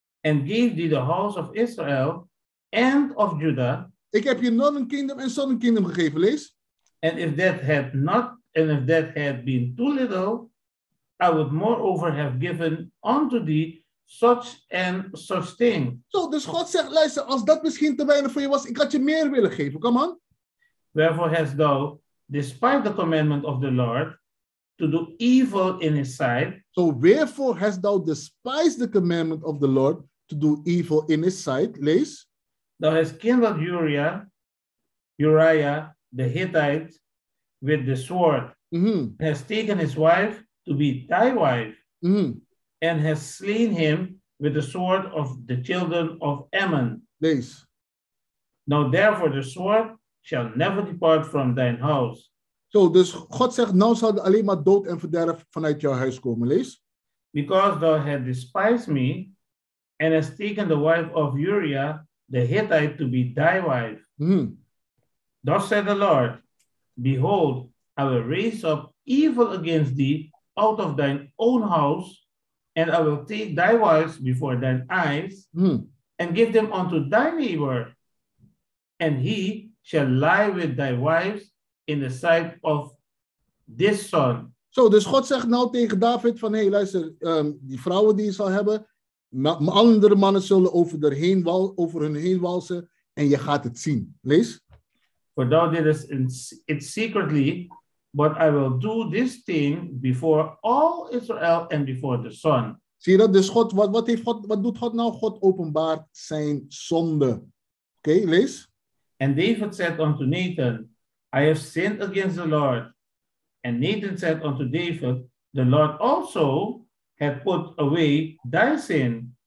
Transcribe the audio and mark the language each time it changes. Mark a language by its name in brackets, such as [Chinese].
[English] And gave thee the house of Israel and of Judah. [Dutch] Ik heb je [English] northern kingdom [Dutch] en [English] southern kingdom [Dutch] gegeven, lees. [English] And if that had not, and if that had been too little, I would moreover have given unto thee such and such thing. [Dutch] Zo, dus God zegt, luister, als dat misschien te weinig voor je was, ik had je meer willen geven, [English] come on. Wherefore hast thou, despite the commandment of the Lord, to do evil in his sight. So wherefore hast thou despised the commandment of the Lord to do evil in his sight. [Dutch] Lees. [English] Thou hast kindled Uriah the Hittite with the sword. Mm-hmm. Has taken his wife to be thy wife. Mm-hmm. And has slain him with the sword of the children of Ammon. [Dutch] Lees. [English] Now therefore the sword shall never depart from thine house. [Dutch] So, dus God zegt, nou zal alleen maar dood en verderf vanuit jouw huis komen. Lees. [English] Because thou hast despised me and hast taken the wife of Uriah the Hittite to be thy wife. Mm-hmm. Thus said the Lord, behold, I will raise up evil against thee out of thine own house, and I will take thy wives before thine eyes, mm-hmm. and give them unto thy neighbor, and he shall lie with thy wives in the sight of this son. [Dutch] Zo, dus God zegt nou tegen David van, hey, luister, die vrouwen die je zal hebben, andere mannen zullen over hun heen walsen, en je gaat het zien. Lees. [English] For thou didst it secretly, but I will do this thing before all Israel and before the sun. [Dutch] Zie je dat? Dus God, wat doet God nou? God openbaart zijn zonde. Oké, lees. [English] And David said unto Nathan, I have sinned against the Lord. And Nathan said unto David, the Lord also hath put away thy sin.